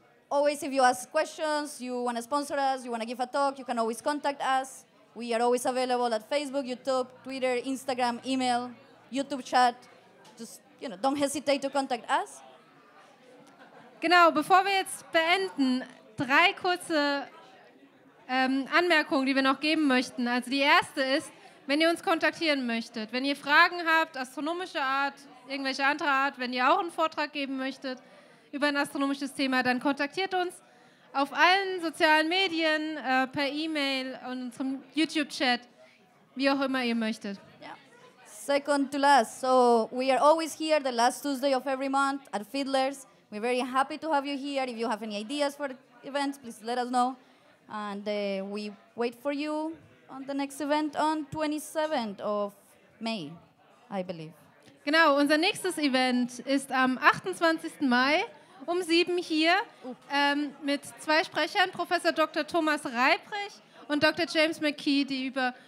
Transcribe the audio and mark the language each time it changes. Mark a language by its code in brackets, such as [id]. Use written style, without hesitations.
[en] Always, if you ask questions, you want to sponsor us, you want to give a talk, you can always contact us. We are always available at Facebook, YouTube, Twitter, Instagram, email, YouTube chat. Just, you know, don't hesitate to contact us. [de] Genau, bevor wir jetzt beenden, 3 kurze Anmerkungen, die wir noch geben möchten. Also die erste ist, wenn ihr uns kontaktieren möchtet, wenn ihr Fragen habt, astronomische Art, irgendwelche andere Art, wenn ihr auch einen Vortrag geben möchtet über ein astronomisches Thema, dann kontaktiert uns. Auf allen sozialen Medien, per E-Mail und unserem YouTube-Chat, wie auch immer ihr möchtet. [en] Yeah. Second to last. So we are always here the last Tuesday of every month at Fiddler's. We're very happy to have you here. If you have any ideas for events, please let us know. And we wait for you on the next event on 27th of May, I believe. [de] Genau, unser nächstes Event ist am 28. Mai. 7 hier mit 2 Sprechern, Professor Dr. Thomas Reiprich und Dr. James McKee, die über